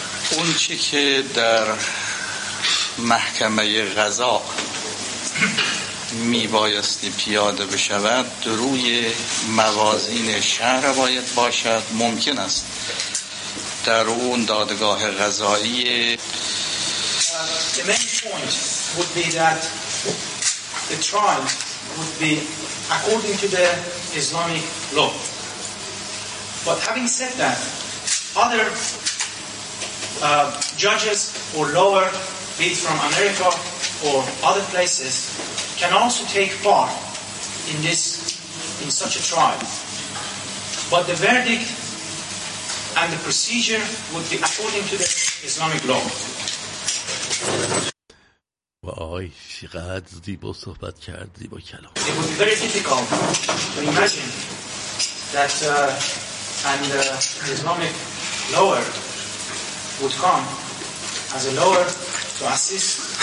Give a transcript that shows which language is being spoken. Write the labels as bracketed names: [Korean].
[Persian] اون چی که در محکمه قضا میبایستی پیاده بشود دروی موازین شهر باید باشد. ممکن است در اون دادگاه قضایی [English] The main point would be that the trial would be according to the Islamic law. But having said that, other judges or lower, be it from America or other places, can also take part in this, in such a trial. But the verdict and the procedure would be according to the Islamic law. [Persian] وای چقدر زیبا صحبت کرد، زیبا کلام. [English] It would be very difficult to imagine that Islamic lawyer would come as a lawyer to assist.